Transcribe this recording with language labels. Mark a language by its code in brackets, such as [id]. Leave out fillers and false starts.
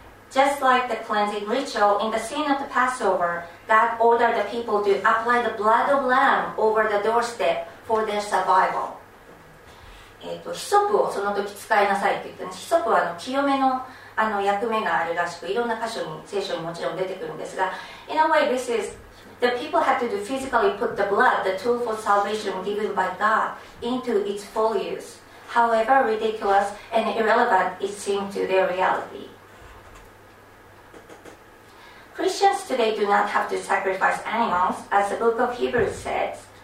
[en] Just like the cleansing ritual, in the scene of the Passover, God ordered the people to apply the blood of lamb over the doorstep for their survival. [ja] ヒソプをその時使いなさいって言ったんです。ヒソプは清め の役目があるらしく、いろんな箇所に聖書にもちろん出てくるんですが、 [en] In a way, this is the people had to do physically put the blood, the tool for salvation given by God, into its folios. However ridiculous and irrelevant it seemed to their reality. Christians today do not have to sacrifice animals, as the book of Hebrews says.